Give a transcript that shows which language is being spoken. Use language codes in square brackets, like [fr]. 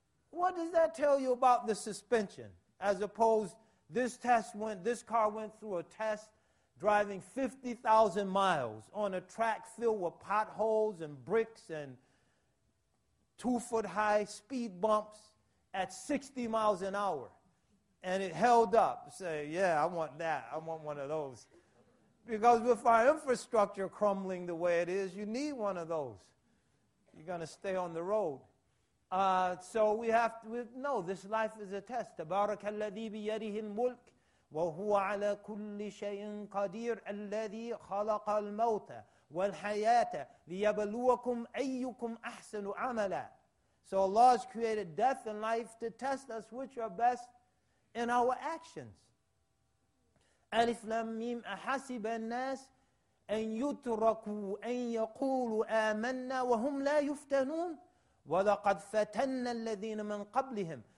[en] What does that tell you about the suspension? As opposed, this car went through a test driving 50,000 miles on a track filled with potholes and bricks and 2-foot-high speed bumps at 60 miles an hour. And it held up. Say, yeah, I want that. I want one of those. Because with our infrastructure crumbling the way it is, you need one of those. You're going to stay on the road. So we have to know this life is a test. [ar] تبارك الذي بيده الملك وهو على كل شيء قدير الذي خلق الموت والحياة ليبلوكم أيكم أحسن عملا. [en] So Allah has created death and life to test us which are best in our actions. [ar] Alif lam mim ahasib an-nas an yutraku an yaqulu amanna wa hum la yuftanun. وَلَقَدْ فَتَنَّ الَّذِينَ مِنْ قَبْلِهِمْ